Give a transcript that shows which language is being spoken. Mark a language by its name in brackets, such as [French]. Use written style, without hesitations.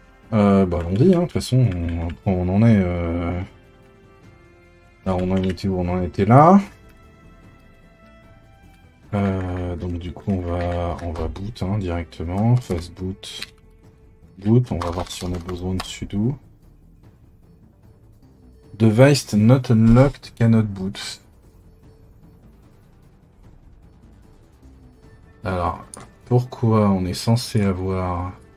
[French] Bah on dit, hein, de toute façon, on en est. Là, on en était où? On en était là. Donc du coup, on va boot hein, directement. Fast boot. Boot, on va voir si on a besoin de sudo. [English] Device not unlocked cannot boot. [French] Alors, pourquoi on est censé avoir...